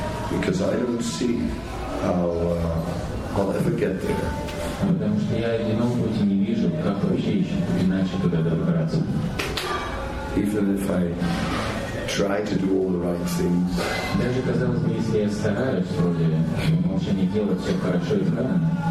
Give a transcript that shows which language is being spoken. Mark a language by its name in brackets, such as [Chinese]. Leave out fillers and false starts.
[English] Because I don't see how I'll ever get there. [Russian] Потому что я одинок пути не вижу, как вообще еще иначе туда добраться. [English] Even if I try to do all the right things. [Russian] Даже казалось бы, если я стараюсь вроде вообще не делать все хорошо и правильно.